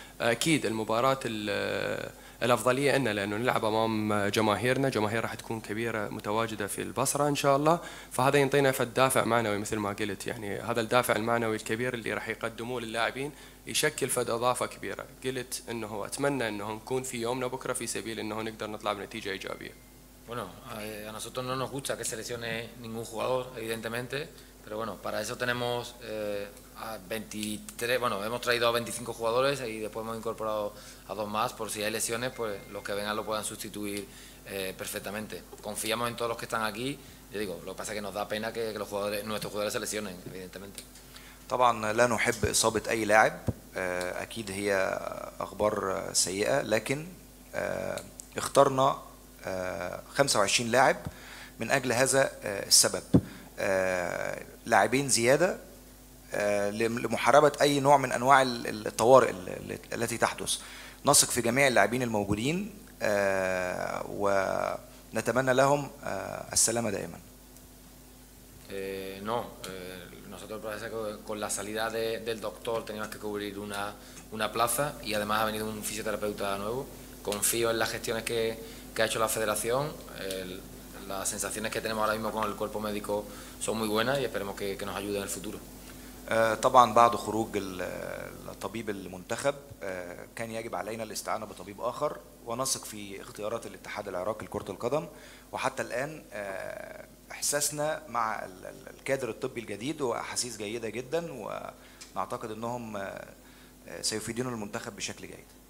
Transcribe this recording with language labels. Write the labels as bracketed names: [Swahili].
[Arabic] أكيد المباراة الأفضلية أنه لأنه نلعب أمام جماهيرنا، جماهير راح تكون كبيرة متواجدة في البصرة إن شاء الله، فهذا ينطينا في الدافع معنوي مثل ما قلت، يعني هذا الدافع المعنوي الكبير اللي راح يقدموه للاعبين يشكل فد أضافة كبيرة. قلت أنه أتمنى أنه نكون في يومنا بكرة في سبيل أنه نقدر نطلع بنتيجة إيجابية. [Spanish] Bueno, a nosotros no nos gusta que seleccione ningún jugador, evidentemente, pero bueno, para eso tenemos a 23, bueno, hemos traído a 25 jugadores y después hemos incorporado a dos más, por si hay lesiones, pues los que vengan lo puedan sustituir perfectamente. Confiamos en todos los que están aquí, yo digo, lo que pasa es que nos da pena que los jugadores, nuestros jugadores se lesionen, evidentemente. [Arabic] طبعا لا نحب إصابة أي لاعب، أكيد هي أخبار سيئة، لكن اخترنا 25 لاعب من أجل هذا السبب، لاعبين زيادة لمحاربة أي نوع من أنواع الطوارئ التي تحدث. نثق في جميع اللاعبين الموجودين ونتمنى لهم السلامة دائما. [Spanish] Nosotros parece que con la salida del doctor teníamos que cubrir una plaza y además ha venido un fisioterapeuta nuevo. Confío en las gestiones que ha hecho la federación. Las sensaciones que tenemos ahora mismo con el cuerpo médico son muy buenas y esperemos que nos ayude en el futuro. [Arabic] طبعا بعد خروج الطبيب المنتخب كان يجب علينا الاستعانة بطبيب آخر، ونثق في اختيارات الاتحاد العراقي لكرة القدم. وحتى الآن إحساسنا مع الكادر الطبي الجديد وأحاسيس جيدة جدا، ونعتقد أنهم سيفيدون المنتخب بشكل جيد.